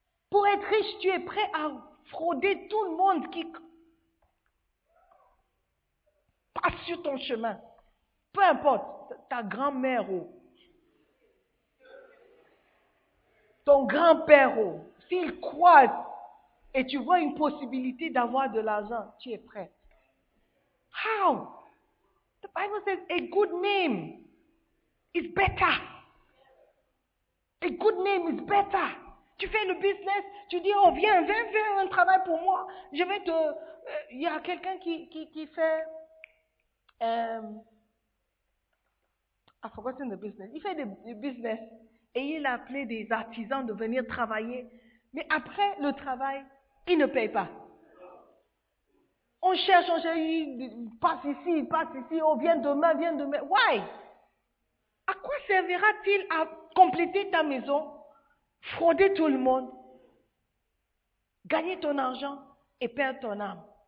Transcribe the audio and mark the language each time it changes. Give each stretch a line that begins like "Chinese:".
French: Pour être riche, tu es prêt à frauder tout le monde qui passe sur ton chemin. Peu importe, ta grand-mère ou ton grand-père, s'il croit et tu vois une possibilité d'avoir de l'argent, tu es prêt.
English: How? The Bible says a good name is better. A good name is better.
French: Tu fais le business, tu dis, oh viens, viens faire un travail pour moi. Je vais te... Il y a quelqu'un qui fait...
English: I forgot in the business.
French: Il fait du business. Et il a appelé des artisans de venir travailler. Mais après le travail, ils ne payent pas. On cherche, il passe ici, oh, viens demain,
English: why?
French: À quoi servira-t-il à compléter ta maison, frauder tout le monde, gagner ton argent et perdre ton âme?